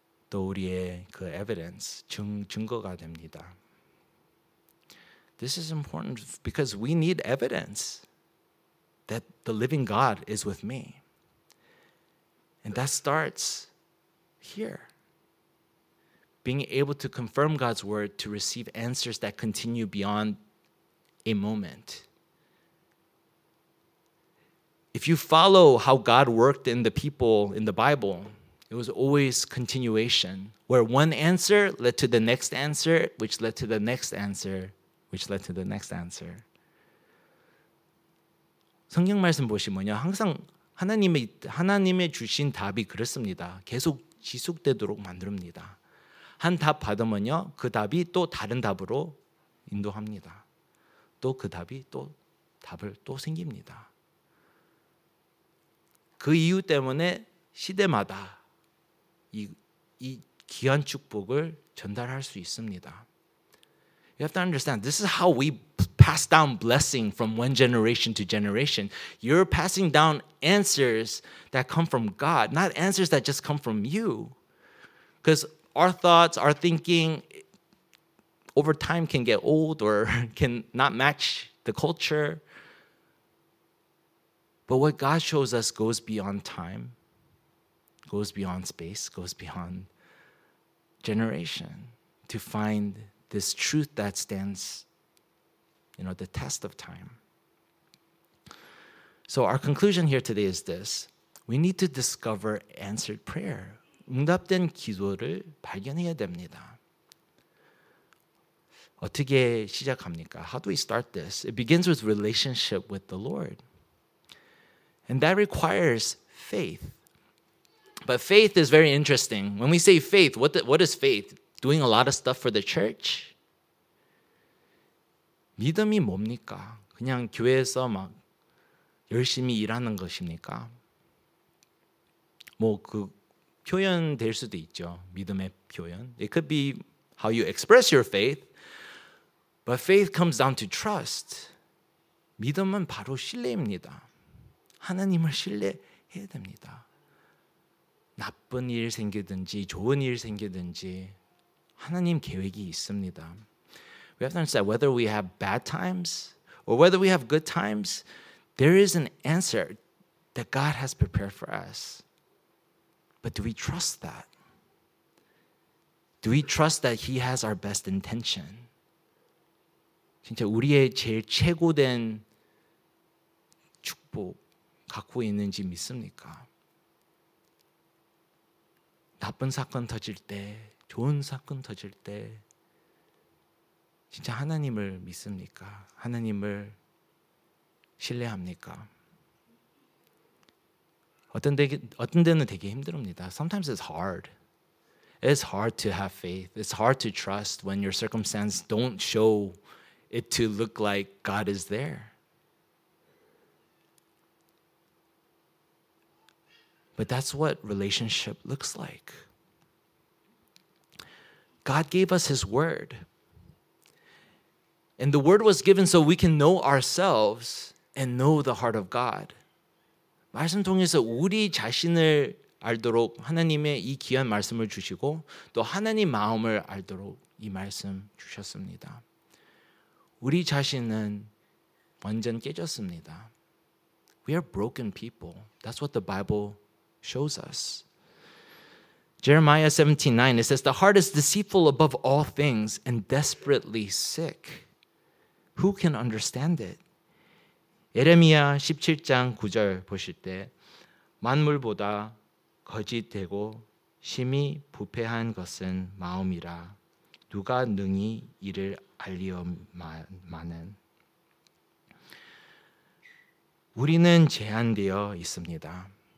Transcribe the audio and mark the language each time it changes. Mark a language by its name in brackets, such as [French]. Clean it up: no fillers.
[Korean] 또 우리의 그 evidence 증거가 됩니다. [English] This is important because we need evidence that the living God is with me. And that starts here. Being able to confirm God's word to receive answers that continue beyond a moment. If you follow how God worked in the people in the Bible, it was always continuation, where one answer led to the next answer, which led to the next answer, which led to the next answer. [Korean] 성경 말씀 보시면요, 항상 하나님의 주신 답이 그렇습니다. 계속 지속되도록 만듭니다. 한 답 받으면요, 그 답이 또 다른 답으로 인도합니다. 또 그 답이 또 답을 또 생깁니다. 그 이유 때문에 시대마다 이 귀한 축복을 전달할 수 있습니다. [English] You have to understand, this is how we pass down blessing from one generation to generation. You're passing down answers that come from God, not answers that just come from you. Because our thoughts, our thinking, over time can get old or can not match the culture. But what God shows us goes beyond time, goes beyond space, goes beyond generation to find this truth that stands, you know, the test of time. So our conclusion here today is this. We need to discover answered prayer. [Korean] 응답된 기도를 발견해야 됩니다. 어떻게 시작합니까? [English] How do we start this? It begins with relationship with the Lord. And that requires faith. But faith is very interesting. When we say faith, what is faith? Doing a lot of stuff for the church? [Korean] 믿음이 뭡니까? 그냥 교회에서 막 열심히 일하는 것입니까? 뭐 그 표현 될 수도 있죠. 믿음의 표현. [English] It could be how you express your faith. But faith comes down to trust. [Korean] 믿음은 바로 신뢰입니다. 하나님을 신뢰해야 됩니다. 나쁜 일 생기든지 좋은 일 생기든지 하나님 계획이 있습니다. [English] We have to understand whether we have bad times or whether we have good times, there is an answer that God has prepared for us. But do we trust that? Do we trust that he has our best intention? [Korean] 진짜 우리의 제일 최고된 축복 갖고 있는지 믿습니까? 나쁜 사건 터질 때, 좋은 사건 터질 때 진짜 하나님을 믿습니까? 하나님을 신뢰합니까? 어떤 데는 되게 힘듭니다. [English] Sometimes it's hard. It's hard to have faith. It's hard to trust when your circumstances don't show it to look like God is there. But that's what relationship looks like. God gave us his word. And the word was given so we can know ourselves and know the heart of God. [Korean] 말씀 통해서 우리 자신을 알도록 하나님의 이 귀한 말씀을 주시고 또 하나님 마음을 알도록 이 말씀 주셨습니다. 우리 자신은 완전 깨졌습니다. [English] We are broken people. That's what the Bible shows us. Jeremiah 17:9, it says, the heart is deceitful above all things and desperately sick. Who can understand it? [Korean] 예레미야 17장 9절 보실 때 만물보다 거짓되고 심히 부패한 것은 마음이라 누가 능히 이를 알리어마는 우리는 제한되어 있습니다.